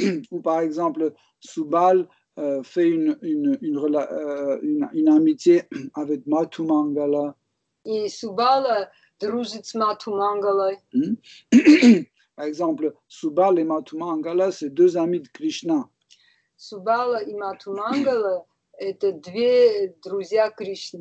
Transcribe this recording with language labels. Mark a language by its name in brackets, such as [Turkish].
[French] Ou par exemple, Subal fait une amitié avec Mathu Mangala. [Russian] Et Subal дружит с Мату Мангалой. [French] Par exemple, Subal et Mathu Mangala, c'est deux amis de Krishna. Subal et Mathu Mangala, c'est deux [Russian] друзья Кришны.